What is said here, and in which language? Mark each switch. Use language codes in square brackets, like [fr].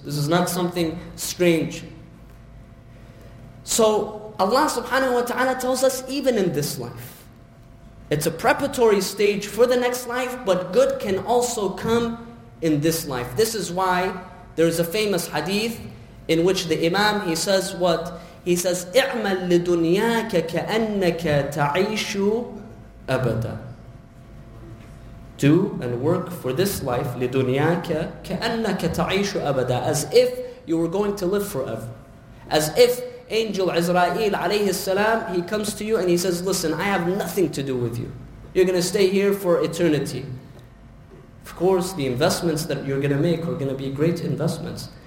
[en] This is not something strange. So Allah subhanahu wa ta'ala tells us, even in this life, it's a preparatory stage for the next life, but good can also come in this life. This is why there is a famous hadith in which the Imam, he says what? He says, [ar] اعمل لدنياك كأنك تعيش أبدا. [en] Do and work for this life, [ar] لدنياك كأنك تعيش أبدا, [en] as if you were going to live forever. As if Angel Azrael alayhi salam, he comes to you and he says, listen, I have nothing to do with you. You're going to stay here for eternity. Of course, the investments that you're going to make are going to be great investments.